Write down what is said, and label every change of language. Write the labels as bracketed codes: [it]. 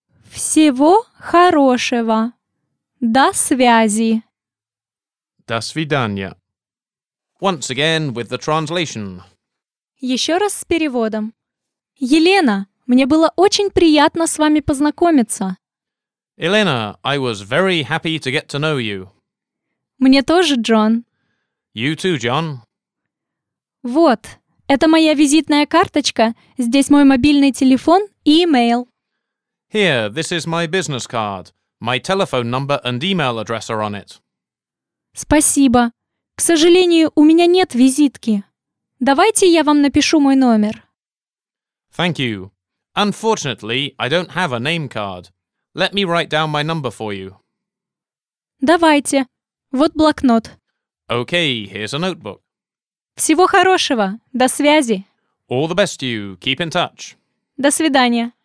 [ru] Всего хорошего. До связи. До свидания. [en] Once again with the translation. [ru] Еще раз с переводом. Елена, мне было очень приятно с вами познакомиться. [en] Elena, I was very happy to get to know you. [ru] Мне тоже, Джон. [en] You too, John. [ru] Вот. Это моя визитная карточка, здесь мой мобильный телефон и имейл. [en] Here, this is my business card. My telephone number and email address are on it. [ru] Спасибо. К сожалению, у меня нет визитки. Давайте я вам напишу мой номер. [en] Thank you. Unfortunately, I don't have a name card. Let me write down my number for you. [ru] Давайте. Вот блокнот. [en] Okay, here's a notebook. [ru] Всего хорошего. До связи. [en] All the best to you. Keep in touch. [ru] До свидания.